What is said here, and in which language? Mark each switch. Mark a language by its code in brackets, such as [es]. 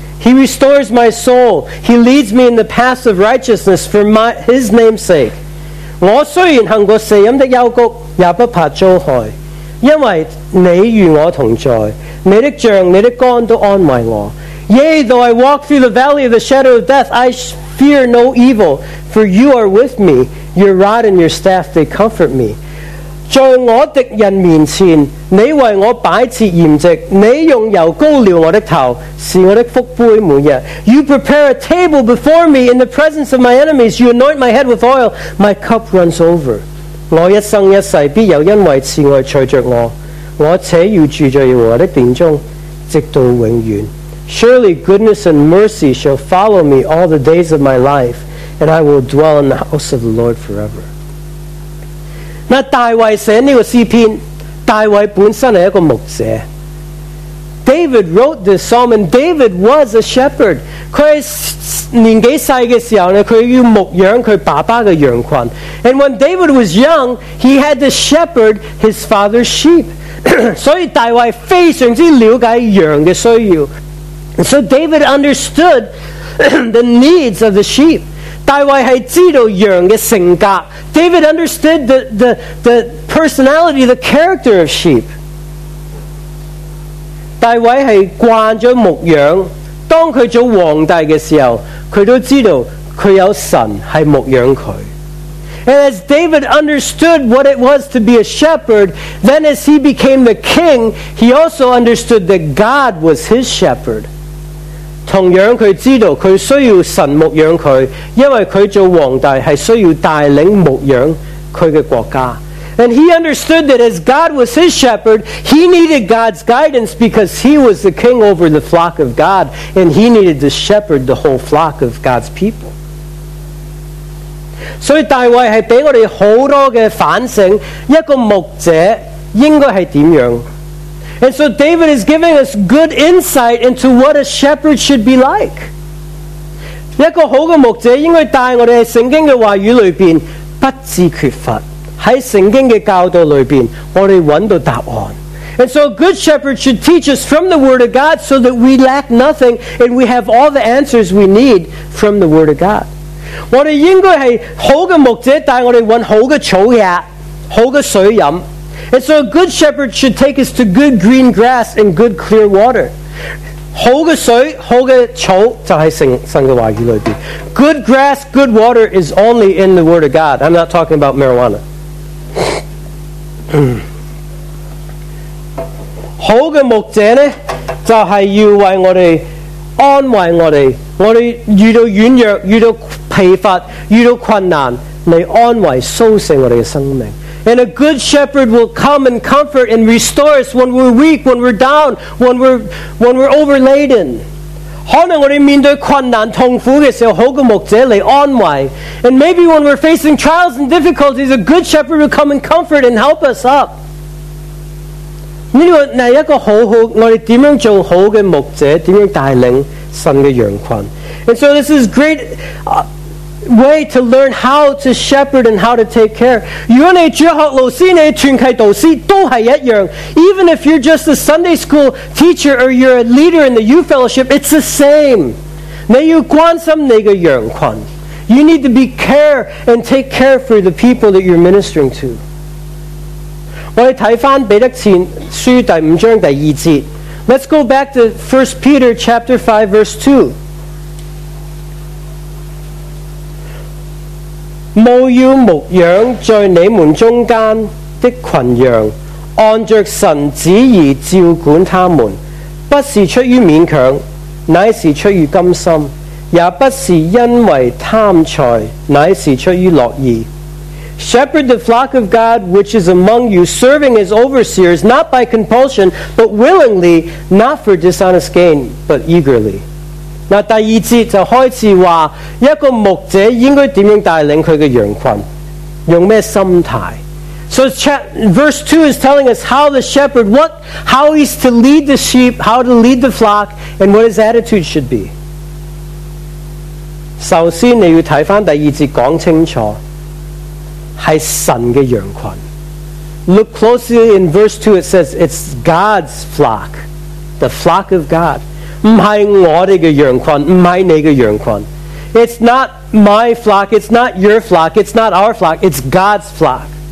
[en] He restores my soul. He leads me in the paths of righteousness for his name's sake. [zh] 我虽然行过死荫的幽谷，也不怕遭害，因为你与我同在，你的杖、你的竿都安慰我。 [en] Yea, though I walk through the valley of the shadow of death, I fear no evil, for you are with me. Your rod and your staff, they comfort me. [zh] 在我敌人面前，你为我摆设筵席，你用油膏料我的头，是我的福杯满溢。 [en] You prepare a table before me in the presence of my enemies. You anoint my head with oil. My cup runs over. [zh] 我一生一世必有恩惠慈爱随着我，我且要住在耶和华的殿中，直到永远。 [en] Surely goodness and mercy shall follow me all the days of my life, and I will dwell in the house of the Lord forever. [zh] 那大卫写这个诗篇，大卫本身是一个牧者。 [en] David wrote this psalm, and David was a shepherd. [zh] 他在年纪小的时候，他要牧养他爸爸的羊群。 [en] And when David was young, he had to shepherd his father's sheep. [zh] 所以大卫非常之了解羊的需要。 [en] And so David understood the needs of the sheep. [zh] 大卫是知道羊的性格。 [en] David understood the personality, the character of sheep. [zh] 大卫是惯了牧羊，当他做皇帝的时候，他都知道他有神是牧羊他。 [en] And as David understood what it was to be a shepherd, then as he became the king, he also understood that God was his shepherd. [zh] 同样他知道他需要神牧养他，因为他做皇帝是需要带领牧养他的国家。 [en] And he understood that as God was his shepherd, he needed God's guidance because he was the king over the flock of God, and he needed to shepherd the whole flock of God's people. [zh] 所以大卫是给我们很多的反省，一个牧者应该是怎样。 [en] And so David is giving us good insight into what a shepherd should be like. [zh] 一个好的牧者应该带我们在圣经的话语里面不致缺乏，在圣经的教导里面我们找到答案。 [en] And so a good shepherd should teach us from the Word of God so that we lack nothing and we have all the answers we need from the Word of God. [zh] 我们应该是好的牧者带我们找好的草芽，好的水饮。 [en] And so a good shepherd should take us to good green grass and good clear water. [zh] 好的水，好的草就在圣的话语里面。 [en] Good grass, good water is only in the Word of God. I'm not talking about marijuana. [zh] 好的牧者呢，就是要为我们安慰我们，我们遇到软弱，遇到疲乏，遇到困难，来安慰苏醒我们的生命。 [en] And a good shepherd will come and comfort and restore us when we're weak, when we're down, when we're overladen. [zh] 可能我们面对困难痛苦的时候，好的牧者来安慰。 [en] And maybe when we're facing trials and difficulties, a good shepherd will come and comfort and help us up. [zh] 这个是一个好好，我们怎样做好的牧者，怎样带领神的羊群。 [en] And so this is a great way to learn how to shepherd and how to take care. [zh] 如果你主学老师，你传契导师都是一样。 [en] Even if you're just a Sunday school teacher or you're a leader in the youth fellowship, it's the same. [zh] 你要关心你的羊群。 [en] You need to be care and take care for the people that you're ministering to. [zh] 我们看回彼得前书第五章第二节。 [en] Let's go back to 1 Peter chapter 5 verse 2。 [zh] 务要牧养在你们中间的群羊，按着神旨意照管他们，不是出于勉强，乃是出于甘心，也不是因为贪财，乃是出于乐意。 [en] Shepherd the flock of God which is among you, serving as overseers, not by compulsion, but willingly, not for dishonest gain, but eagerly. [zh] 那第二节就开始说，一个牧者应该怎样带领他的羊群，用什么心态。 [en] So verse 2 is telling us how the shepherd, how he's to lead the sheep, how to lead the flock, and what his attitude should be. [zh] 首先你要看回第二节讲清楚。是神的羊群。 [en] Look closely in verse 2, it says it's God's flock, the flock of God. [zh] 不是我的羊群，不是你的羊群。 [en] It's not my flock, it's not your flock, it's not our flock, it's God's flock.